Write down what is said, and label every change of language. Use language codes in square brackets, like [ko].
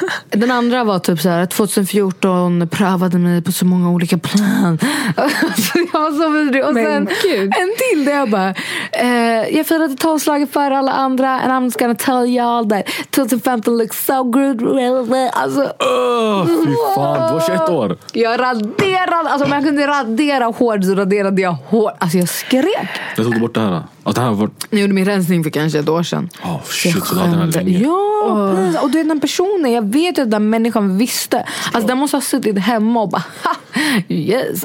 [sv] Den andra var typ såhär, 2014 prövade mig på så många olika plan. Alltså jag var så vidrig. Och sen en till där jag bara, jag firade 12-slaget för alla andra. [en] And I'm just gonna tell y'all that 2015 looks so good. [sv] Alltså fy fan, det var 21 år. Jag raderade, alltså om jag kunde radera hård så raderade jag hård. Alltså jag skrek. Jag tog bort det här. Det här var... Jag gjorde min rensning för kanske ett år sedan. Shit, så hade jag den här länge. Och det är den personen, jag vet ju att den människan visste. Alltså den måste ha suttit hemma och bara, yes.